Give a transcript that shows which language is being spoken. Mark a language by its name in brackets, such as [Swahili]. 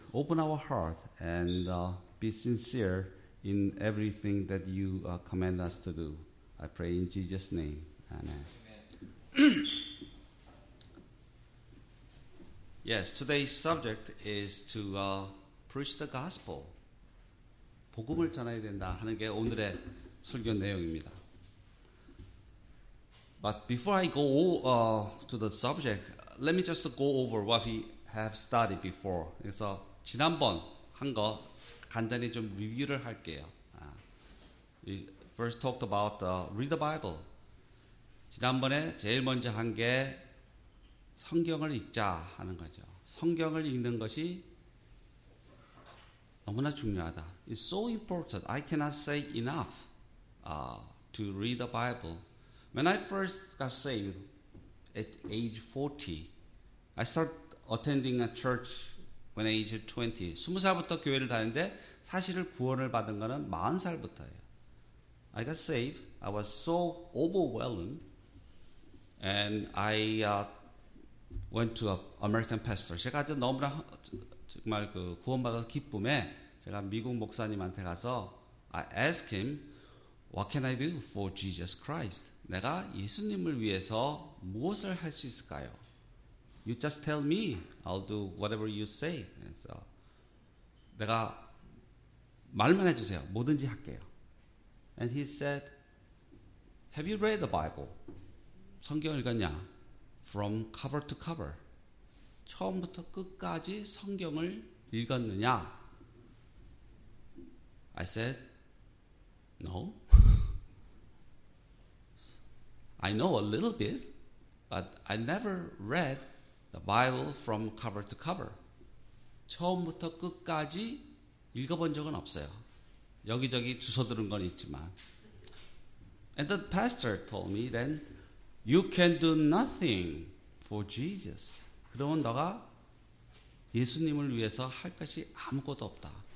[English] Open our heart and be sincere in everything that you command us to do. I pray in Jesus' name. Amen. Yes, today's subject is to preach the gospel. [Korean] 복음을 전해야 된다 하는 게 오늘의 설교 내용입니다. [English] But before I go to the subject, let me just go over what we have studied before. [Korean] 그래서 지난번 한 거 간단히 좀 리뷰를 할게요. [English] We first talked about read the Bible. [Korean] 지난번에 제일 먼저 한 게 성경을 읽자 하는 거죠. 성경을 읽는 것이 너무나 중요하다. [English] It's so important. I cannot say enough to read the Bible. When I first got saved at age 40, I started attending a church when age 20. [Korean] 20살부터 교회를 다니는데 사실 구원을 받은 거는 40살부터예요. [English] I got saved. I was so overwhelmed. And I went to an American pastor. [Korean] 제가 아주 너무나 정말 그 구원받아서 기쁨에 제가 미국 목사님한테 가서 [English] I asked him, What can I do for Jesus Christ? [Korean] 내가 예수님을 위해서 무엇을 할 수 있을까요? [English] You just tell me, I'll do whatever you say. [Korean] So, 내가 말만 해주세요. 뭐든지 할게요. [English] And he said, Have you read the Bible? [Korean] 성경 읽었냐? [English] From cover to cover. [Korean] 처음부터 끝까지 성경을 읽었느냐? [English] I said, No. I know a little bit, but I never read the Bible from cover to cover. [Korean] 처음부터 끝까지 읽어본 적은 없어요. 여기저기 주워들은 건 있지만. [English] And the pastor told me then, You can do nothing for Jesus. [Korean] 그러면 너가 예수님을 위해서 할 것이 아무것도 없다.